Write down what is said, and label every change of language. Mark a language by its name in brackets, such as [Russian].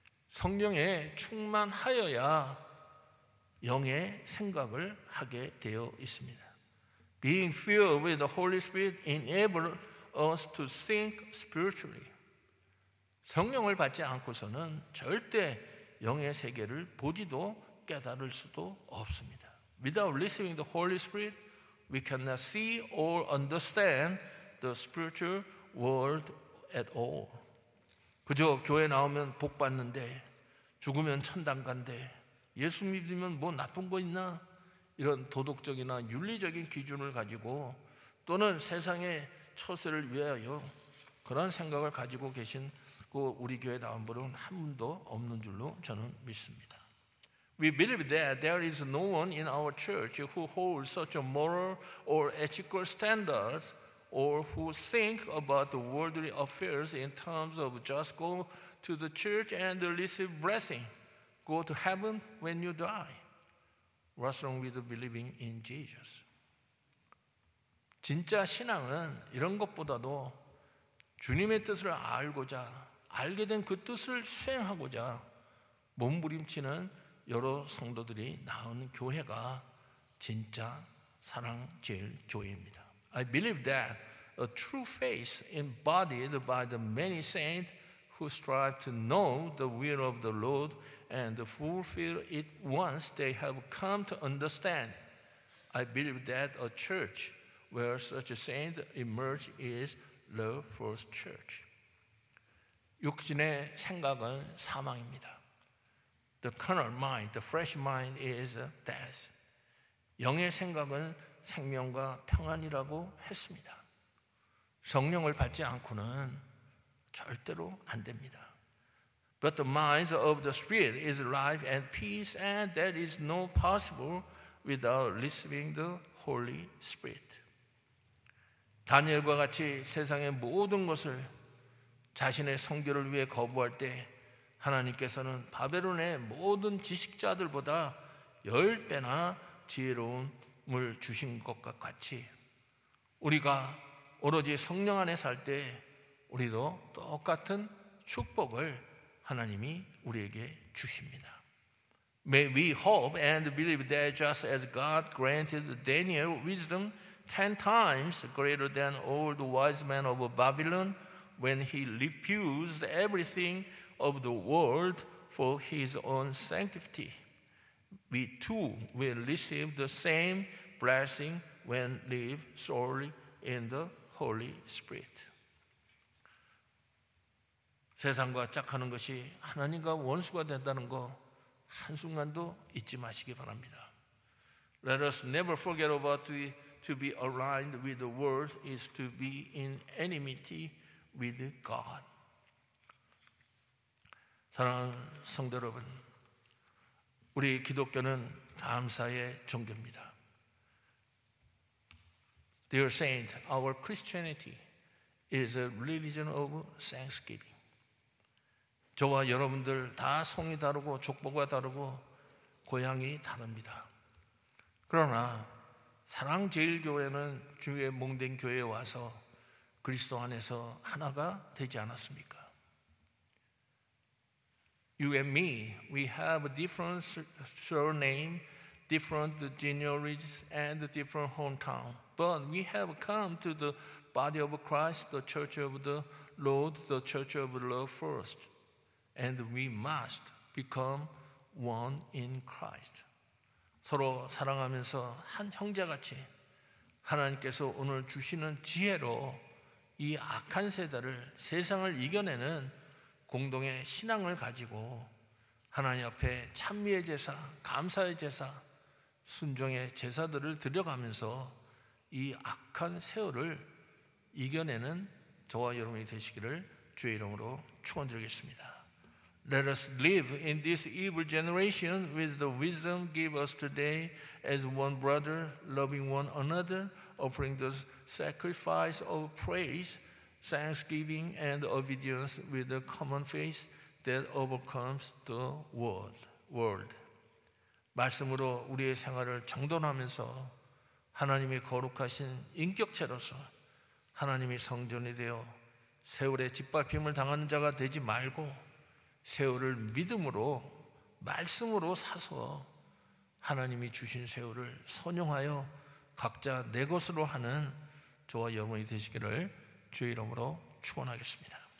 [Korean] 성령에 충만하여야 영의 생각을 하게 되어 있습니다. [English] Being filled with the Holy Spirit enables us to think spiritually. [Korean] 성령을 받지 않고서는 절대 영의 세계를 보지도 깨달을 수도 없습니다. [English] Without receiving the Holy Spirit, we cannot see or understand the spiritual world at all. [Korean] 그저 교회 나오면 복 받는데, 죽으면 천당 간대, 예수 믿으면 뭐 나쁜 거 있나? 이런 도덕적이나 윤리적인 기준을 가지고 또는 세상의 처세를 위하여 그런 생각을 가지고 계신 그 우리 교회 나온 분은 한 분도 없는 줄로 저는 믿습니다. [English] We believe that there is no one in our church who holds such a moral or ethical standard or who think about the worldly affairs in terms of just go to the church and receive blessing. Go to heaven when you die. What's wrong with believing in Jesus? [Korean] 진짜 신앙은 이런 것보다도 주님의 뜻을 알고자 알게 된 그 뜻을 수행하고자 몸부림치는 여러 성도들이 나온 교회가 진짜 사랑 제일 교회입니다. [English] I believe that a true faith embodied by the many saints who strive to know the will of the Lord and fulfill it once they have come to understand. I believe that a church where such a saint emerge is the first church. [Korean] 육신의 생각은 사망입니다. [English] The carnal mind, the flesh mind is death. [Korean] 영의 생각은 생명과 평안이라고 했습니다. 성령을 받지 않고는 절대로 안 됩니다. [English] But the mind of the spirit is life and peace, and that is no possible without receiving the Holy Spirit. [Korean] 다니엘과 같이 세상의 모든 것을 자신의 성결을 위해 거부할 때 하나님께서는 바벨론의 모든 지식자들보다 열 배나 지혜로움을 주신 것과 같이 우리가 오로지 성령 안에 살 때 우리도 똑같은 축복을 하나님이 우리에게 주십니다. [English] May we hope and believe that just as God granted Daniel wisdom 10 times greater than all the wise men of Babylon when he refused everything of the world for his own sanctity, we too will receive the same blessing when live solely in the Holy Spirit. [Korean] 세상과 짝하는 것이 하나님과 원수가 된다는 거 한순간도 잊지 마시기 바랍니다. [English] Let us never forget about the To be aligned with the world is to be in enmity with God. [Korean] 사랑하는 성도 여러분, 우리 기독교는 감사의 종교입니다. [English] Dear Saint, our Christianity is a religion of thanksgiving. [Korean] 저와 여러분들 다 성이 다르고 족보가 다르고 고향이 다릅니다. 그러나 사랑제일교회는 주의 몽된 교회에 와서 그리스도 안에서 하나가 되지 않았습니까? [English] You and me, we have a different surname, different genealogies, and different hometown. But we have come to the body of Christ, the church of the Lord, the church of love first. And we must become one in Christ. [Korean] 서로 사랑하면서 한 형제같이 하나님께서 오늘 주시는 지혜로 이 악한 세대를 세상을 이겨내는 공동의 신앙을 가지고 하나님 앞에 찬미의 제사, 감사의 제사, 순종의 제사들을 드려가면서 이 악한 세월을 이겨내는 저와 여러분이 되시기를 주의 이름으로 축원드리겠습니다. [English] Let us live in this evil generation with the wisdom give us today as one brother, loving one another, offering the sacrifice of praise, thanksgiving, and obedience with a common faith that overcomes the world. [Korean] 말씀으로 우리의 생활을 정돈하면서 하나님이 거룩하신 인격체로서 하나님이 성전이 되어 세월의 짓밟힘을 당하는 자가 되지 말고 세월을 믿음으로 말씀으로 사서 하나님이 주신 세월을 선용하여 각자 내 것으로 하는 저와 여러분이 되시기를 주의 이름으로 축원하겠습니다.